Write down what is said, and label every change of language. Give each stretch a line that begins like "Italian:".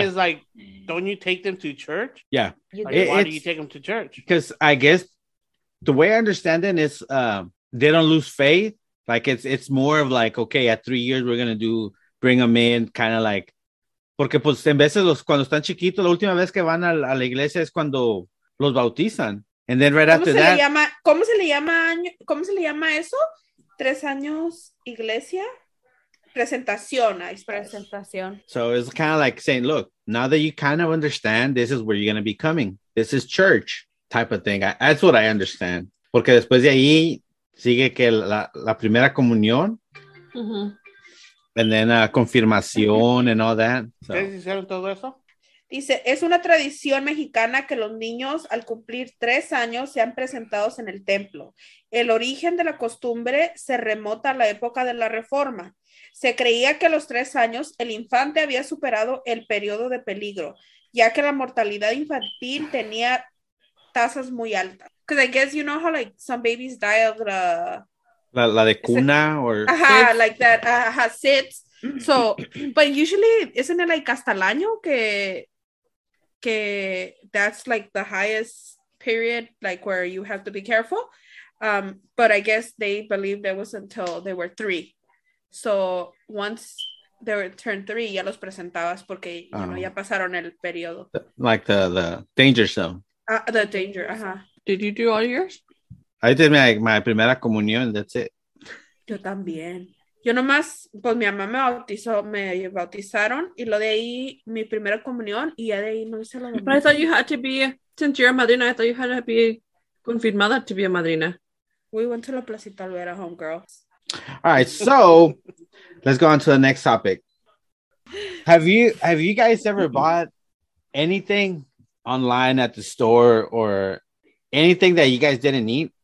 English: Is like, don't you take them to church? Yeah. Why do you take them to church? Because I guess the way I understand it is they don't lose faith. Like it's more of like, okay, at 3 years we're gonna bring them in, kind of like.
Spanish: Porque pues en veces los cuando están chiquitos la última vez que van a la iglesia es cuando los bautizan.
English: And then right after that.
Spanish: ¿Cómo se le llama eso? 3 años iglesia presentación.
English: So it's kind of like saying, look, now that you kind of understand, this is where you're gonna be coming. This is church type of thing. That's what I understand.
Spanish: Porque después de ahí sigue que la primera comunión.
English: Mm-hmm. And then confirmación and all that. So.
Spanish: ¿Qué hicieron todo eso? Dice, es una tradición mexicana que los niños al cumplir 3 años sean presentados en el templo. El origen de la costumbre se remota a la época de la Reforma. Se creía que a los 3 años el infante había superado el periodo de peligro, ya que la mortalidad infantil tenía tasas muy altas.
English: Because I guess you know how like some babies die of the...
Spanish: La de cuna or
English: like that sits. So but usually isn't it like
Spanish: hasta el año que
English: that's like the highest period like where you have to be careful, but I guess they believed it was until they were 3, so once they were turned 3
Spanish: ya los presentabas porque ya pasaron el periodo
English: like the danger zone. The danger. Uh-huh. Did you do all yours? I did my primera comunión, that's it.
Spanish: Yo también. Yo nomás, pues mi mamá me bautizaron, y lo de ahí, mi primera comunión, y ya de ahí no hice la madrina.
English: But I thought you had to be, since you're a madrina, I thought you had to be confirmada to be a madrina. We went to La Placita Alvera, homegirl. All right, so, let's go on to the next topic. Have you guys ever bought anything online at the store, or anything that you guys didn't need?